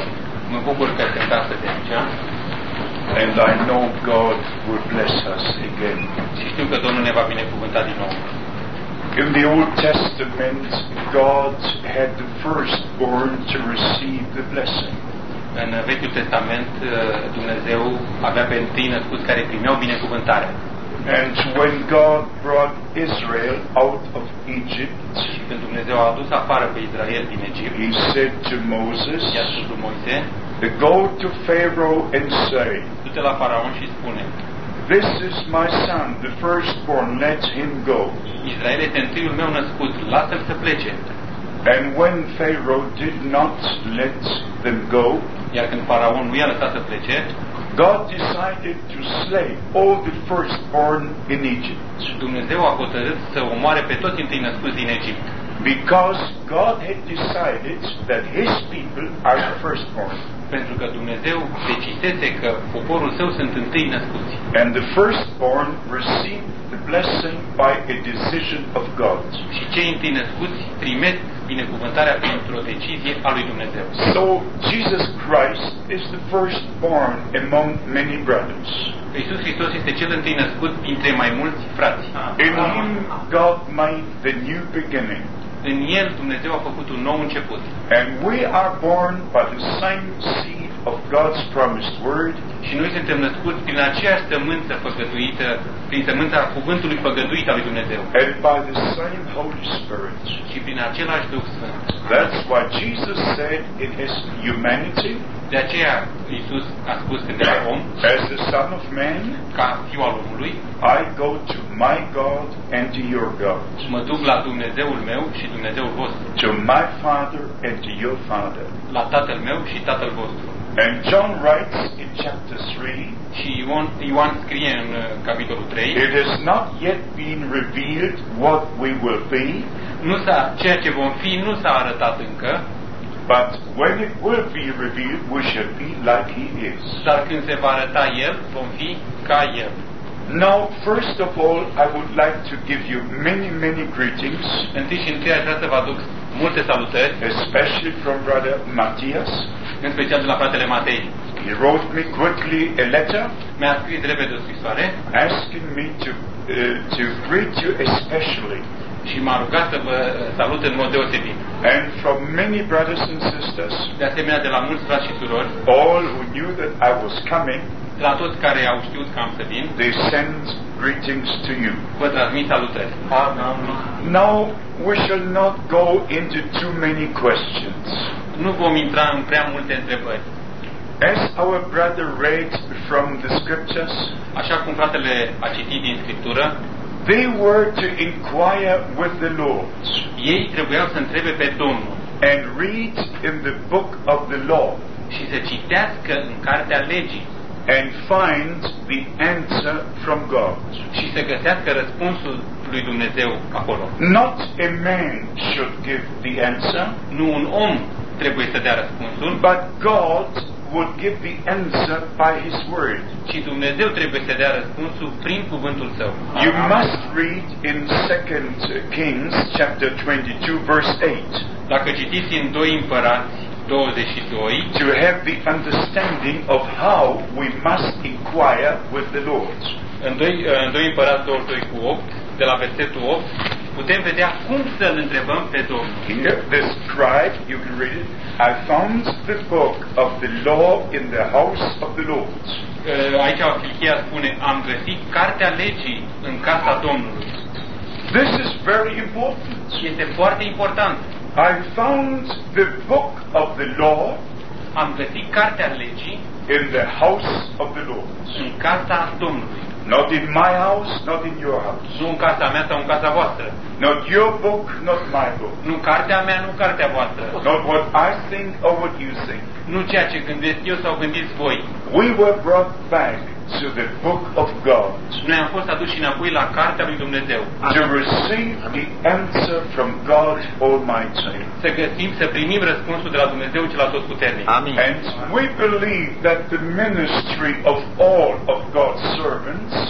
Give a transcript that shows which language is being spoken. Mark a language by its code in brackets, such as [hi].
[en] And I know God will bless us again. In the Old Testament, God had the firstborn to receive the blessing. [ro] În Vechiul Testament, Dumnezeu avea pe întâi născuți care primeau binecuvântarea. [en] And when God brought Israel out of Egypt, [ro] și când Dumnezeu a adus afară pe Israel din Egipt, [en] He said to Moses, [ro] i-a spus lui Moise, [en] go to Pharaoh and say, [ro] du-te la Faraon și spune, [en] this is my son, the firstborn, let him go. [ro] Israel este întâiul meu născut, lasă-l să plece. [en] And when Pharaoh did not let them go, [ro] iar când Faraon nu i-a lăsat să plece, [en] God decided to slay all the firstborn in Egypt. [ro] Dumnezeu a hotărât să omoare pe toți întâi născuți din Egipt. [en] Because God had decided that His people are the firstborn. [ro] Pentru că Dumnezeu decisese că poporul Său sunt întâi născuți. [en] And the firstborn received the blessing by a decision of God. [ro] Și cei întâi născuți primesc binecuvântarea pentru o decizie a lui Dumnezeu. [en] So Jesus Christ is the firstborn among many brothers. [ro] Iisus Hristos este cel întâi născut dintre mai mulți frați. [en] In Him God made the new beginning. [ro] În El Dumnezeu a făcut un nou început. [en] And we are born by the same seed of God's promised word. [ro] Și noi suntem născuți prin aceeași sămânță făgăduită, prin sămânța cuvântului făgăduit al lui Dumnezeu. [en] And by the same Holy Spirit. [ro] Și prin același Duh Sfânt. [en] That's why Jesus said in His humanity. [ro] De aceea Iisus a spus când era om. [en] As the Son of Man. [ro] Ca Fiul al Omului. [en] I go to my God and to your God. [ro] Mă duc la Dumnezeul meu și Dumnezeul vostru. [en] To my Father and to your Father. [ro] La Tatăl meu și Tatăl vostru. [en] And John writes in chapter 3. [ro] Și Ioan scrie în capitolul 3. [en] It has not yet been revealed what we will be. [ro] Ceea ce vom fi nu s-a arătat încă. [en] But when it will be revealed, we shall be like He is. [ro] Dar când se va arăta El, vom fi ca El. [en] Now, first of all, I would like to give you many, many greetings. [ro] Întâi și întâi aș vrea să vă aduc multe salutări. [en] Especially from Brother Matthias. [ro] În special de la fratele Matei. [en] He wrote me quickly a letter. [ro] Mi-a scris repede o scrisoare. [en] Asking me to greet you especially. [ro] Și m-a rugat să vă salut în mod deosebit. [en] And from many brothers and sisters. [ro] De asemenea, de la mulți frați și surori. [en] All who knew that I was coming. [ro] La toți care au știut că am să vin. [en] They send greetings to you. [ro] Vă transmit salutări. [en] Now we shall not go into too many questions. [ro] Nu vom intra în prea multe întrebări. [en] As our brother read from the scriptures. [ro] Așa cum fratele a citit din scriptură. [en] They were to inquire with the Lord. [ro] Ei trebuiau să întrebe pe Domnul. [en] And read in the book of the law. [ro] Și să citească în cartea legii. [en] And find the answer from God. [ro] Și să găsească răspunsul lui Dumnezeu acolo. [en] Not a man should give the answer. [ro] Nu un om trebuie să dea răspunsul. [en] But God would give the answer by His word. [ro] Și Dumnezeu trebuie să dea răspunsul prin cuvântul Său. [en] You must read in 2 Kings chapter 22 verse 8. [ro] Dacă citiți în 2 Împărați 22, [en] to have the understanding of how we must inquire with the Lord. [ro] În 2 Împărați 22 cu 8, de la versetul 8, putem vedea cum să-L întrebăm pe Domnul. [en] Here, the scribe, you can read it, I found the book of the law in the house of the Lord. [ro] Aici Filchia spune, am găsit cartea legii în casa Domnului. [en] This is very important. [ro] Este foarte important. [en] I found the book of the law. [ro] Am găsit cartea legii [en] in the house of the Lord. [ro] În casa Domnului. [en] Not in my house, not in your house. [ro] Nu în casa mea sau în casa voastră. [en] Not your book, not my book. [ro] Nu cartea mea, nu cartea voastră. [en] Not what I think or what you think. [ro] Nu ceea ce gândesc eu sau gândiți voi. [en] We were brought back to the book of God. [ro] Noi am fost aduși înapoi la cartea lui Dumnezeu. [en] To receive the answer from God Almighty. [ro] Să găsim, să primim răspunsul de la Dumnezeu cel Atotputernic. Amin. [en] And we believe that the ministry of all of God's servants.